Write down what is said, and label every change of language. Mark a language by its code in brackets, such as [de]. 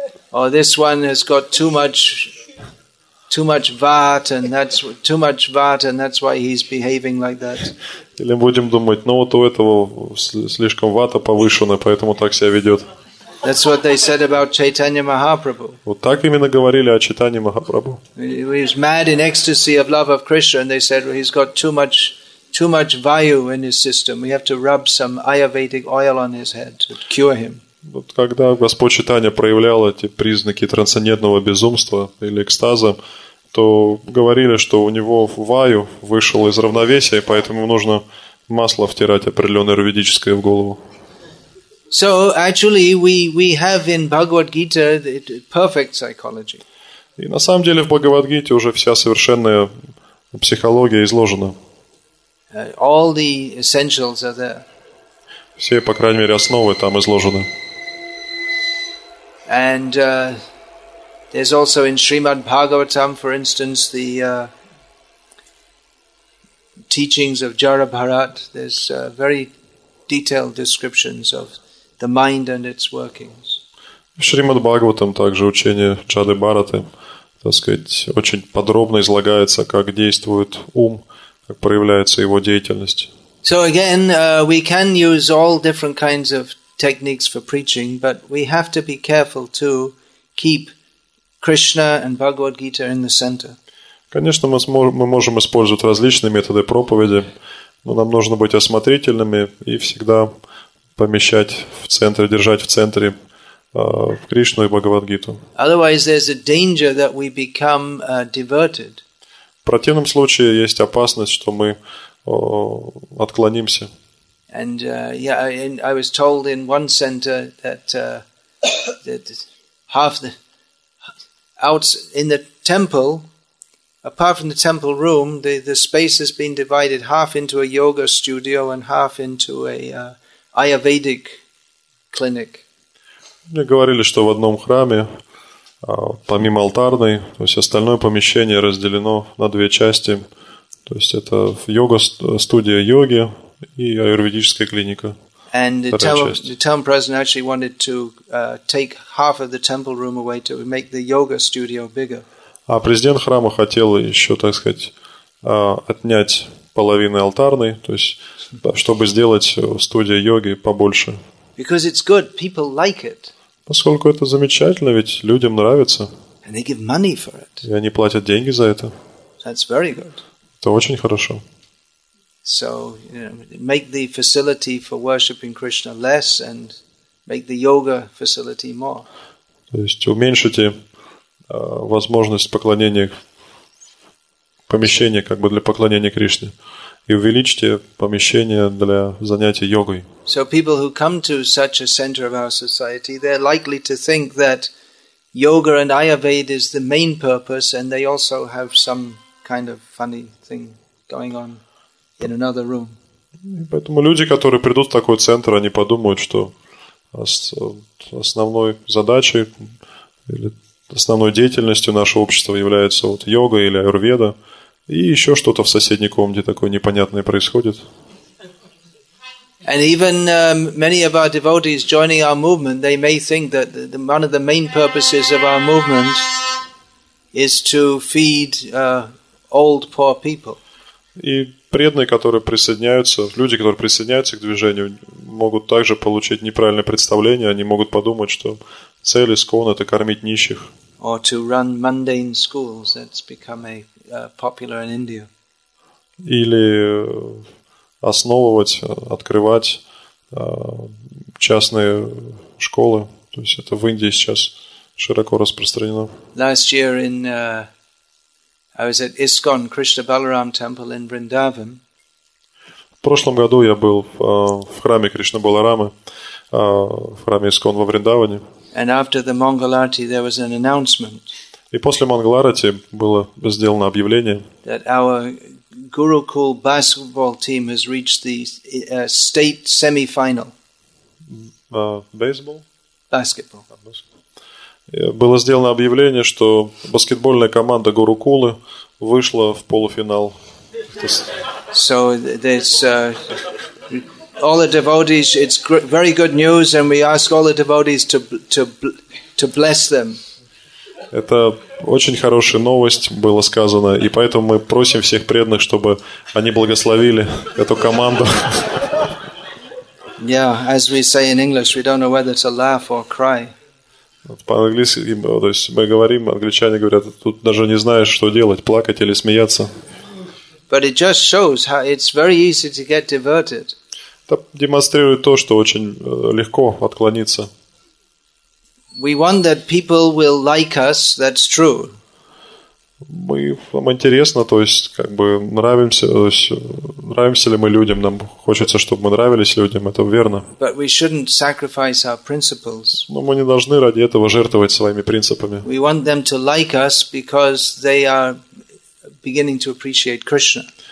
[en] Or this one has got too much vata, and that's why he's behaving like that. [ru] Или будем думать, ну вот у этого слишком вата повышена, поэтому так себя ведет. [en] That's what they said about Chaitanya Mahaprabhu. [ru] Вот так именно говорили о Чайтанье Махапрабху. [en] He was mad in ecstasy of love of Krishna, and they said, well, he's got too much vayu in his system. We have to rub some Ayurvedic oil on his head to cure him. [ru] Вот когда Господь Чайтанья проявлял эти признаки трансцендентного безумства или экстаза, то говорили, что у него ваю вышел из равновесия, и поэтому нужно масло втирать определенное аюрведическое в голову. [en] So actually we have in Bhagavad Gita perfect psychology. [ru] И на самом деле в Бхагавадгите уже вся совершенная психология изложена. [en] All the essentials are there. [ru] Все, по крайней мере, основы там изложены. [en] And there's also in Srimad Bhagavatam, for instance, the teachings of Jara Bharat, there's very detailed descriptions of the mind and its workings. [ru] Шримад Бхагаватам, также учение Джады Бхараты, так сказать, очень подробно излагается, как действует ум, как проявляется его деятельность. [en] So again, we can use all different kinds of techniques for preaching, but we have to be careful to keep Krishna and Bhagavad Gita in the center. [ru] Конечно, мы можем использовать различные методы проповеди, но нам нужно быть осмотрительными и всегда помещать в центре, держать в центре в Кришну и Бхагавад-гиту. [en] Otherwise, there's a danger that we become diverted. [ru] В противном случае есть опасность, что мы отклонимся. [en] And I was told in one center that that half the out in the temple, apart from the temple room, the space has been divided half into a yoga studio and half into a Ayurvedic clinic. [ru] Мне говорили, что в одном храме, помимо алтарной, то есть остальное помещение разделено на две части. То есть это йога-студия йоги и аюрведическая клиника. [en] And the town president actually wanted to take half of the temple room away to make the yoga studio bigger. [ru] А президент храма хотел еще, так сказать, отнять половину алтарной, то есть чтобы сделать студию йоги побольше. [en] Because it's good, people like it. [ru] Поскольку это замечательно, ведь людям нравится. [en] And they give money for it. [ru] И они платят деньги за это. [en] That's very good. [ru] Это очень хорошо. [en] So, you know, make the facility for worshiping Krishna less and make the yoga facility more. [ru] То есть уменьшите возможность поклонения помещения как бы для поклонения Кришне. И увеличьте помещение для занятий йогой. [en] So people who come to such a center of our society, they're likely to think that yoga and Ayurveda is the main purpose, and they also have some kind of funny thing going on in another room. [ru] Поэтому люди, которые придут в такой центр, они подумают, что основной задачей или основной деятельностью нашего общества является вот йога или Аюрведа. И еще что-то в соседней комнате такое непонятное происходит. [en] And even many of our devotees joining our movement, they may think that one of the main purposes of our movement is to feed old poor people. [ru] И преданные, которые присоединяются, люди, которые присоединяются к движению, могут также получить неправильное представление. Они могут подумать, что цель ИСККОН – это кормить нищих. [en] Or to run mundane schools. That's become a popular in India. [ru] Или основывать, открывать частные школы. То есть это в Индии сейчас широко распространено. [en] Last year in I was at ISKCON Krishna Balaram Temple in Vrindavan. [ru] В прошлом году я был в храме Кришна Баларамы, в храме ИСККОН во Вриндаване. [en] And after the Mangal Arati there was an announcement. [ru] И после Mangal Arati было сделано объявление. [en] That our Gurukul basketball team has reached the state semi-final. Baseball? Basketball. [ru] Было сделано объявление, что баскетбольная команда Гурукулы вышла в полуфинал. [en] So there's all the devotees, it's very good news, and we ask all the devotees to bless them. [ru] Это очень хорошая новость было сказано, и поэтому мы просим всех преданных, чтобы они благословили эту команду. [en] Yeah, as we say in English, we don't know whether to laugh or cry. [ru] По-английски, то есть мы говорим, англичане говорят, тут даже не знаешь, что делать, плакать или смеяться. [en] But it just shows how it's very easy to get diverted. [ru] Это демонстрирует то, что очень легко отклониться. [en] We want that people will like us, that's true. [ru] Мы нам интересно, то есть как бы нравимся, то есть нравимся ли мы людям, нам хочется, чтобы мы нравились людям, это верно. [en] But we shouldn't sacrifice our principles. [ru] Но мы не должны ради этого жертвовать своими принципами. [en] We want them to like us because they are beginning to appreciate Krishna.